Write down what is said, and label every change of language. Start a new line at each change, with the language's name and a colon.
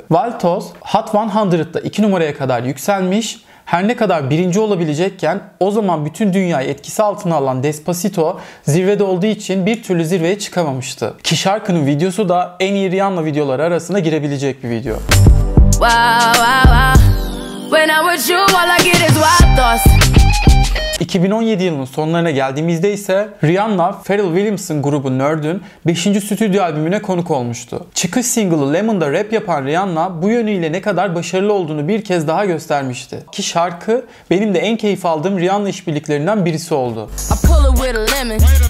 Turkish: Wild Toss Hot 100'da 2 numaraya kadar yükselmiş. Her ne kadar birinci olabilecekken o zaman bütün dünyayı etkisi altına alan Despacito zirvede olduğu için bir türlü zirveye çıkamamıştı. Ki şarkının videosu da en iyi Rihanna videoları arasına girebilecek bir video.
English: Wow, wow, wow. When I was you, all I get is wild thoughts.
Turkish: 2017 yılının sonlarına geldiğimizde ise Rihanna, Pharrell Williamson grubu Nerd'ün 5. stüdyo albümüne konuk olmuştu. Çıkış single'ı Lemon'da rap yapan Rihanna bu yönüyle ne kadar başarılı olduğunu bir kez daha göstermişti. Ki şarkı benim de en keyif aldığım Rihanna işbirliklerinden birisi oldu.
English: Wait a minute.